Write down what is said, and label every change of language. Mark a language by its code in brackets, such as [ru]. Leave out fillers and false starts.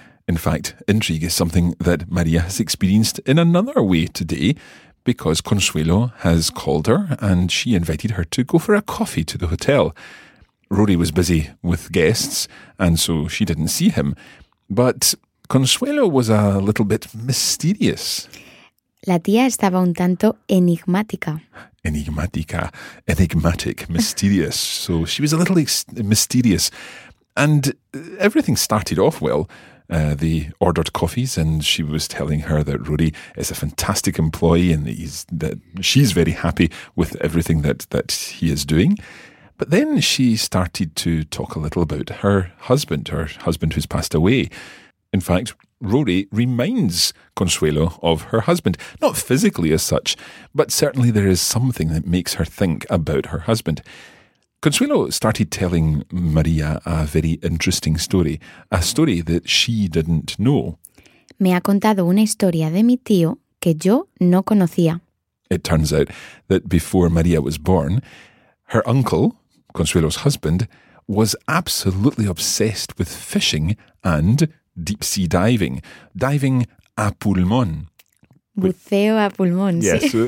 [en] In fact, intrigue is something that Maria has experienced in another way today, because Consuelo has called her and she invited her to go for a coffee to the hotel. Rory was busy with guests and so she didn't see him. But Consuelo was a little bit mysterious. [es] La tía estaba un tanto enigmática. [en] Enigmática, enigmatic, mysterious. So she was a little mysterious. And everything started off well. They ordered coffees and she was telling her that Rory is a fantastic employee and that she's very happy with everything that he is doing. But then she started to talk a little about her husband who's passed away. In fact, Rory reminds Consuelo of her husband, not physically as such, but certainly there is something that makes her think about her husband. Consuelo started telling Maria a very interesting story, a story that she didn't know. [es] Me ha contado una historia de mi tío que yo no conocía. [en] It turns out that before Maria was born, her uncle, Consuelo's husband, was absolutely obsessed with fishing and deep sea diving [es] a pulmón. Buceo a pulmón, [en] yes, [es] sí.